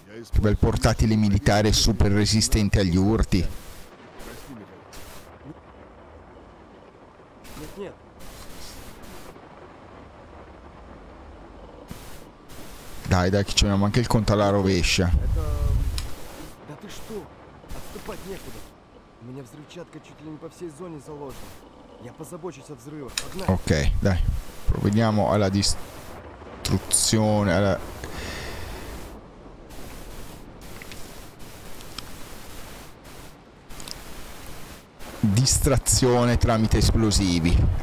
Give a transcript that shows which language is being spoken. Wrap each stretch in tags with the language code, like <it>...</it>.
<it>Che bel portatile militare super resistente agli urti. Dai, dai, che ci abbiamo anche il conto alla rovescia.</it> <ru>Да ты что? Отступать некуда. У меня взрывчатка чуть ли не по всей зоне заложена. Я позабочусь о взрывах.</ru> <it>Ok, dai. Proviamo alla distruzione, alla... distrazione tramite esplosivi.</it>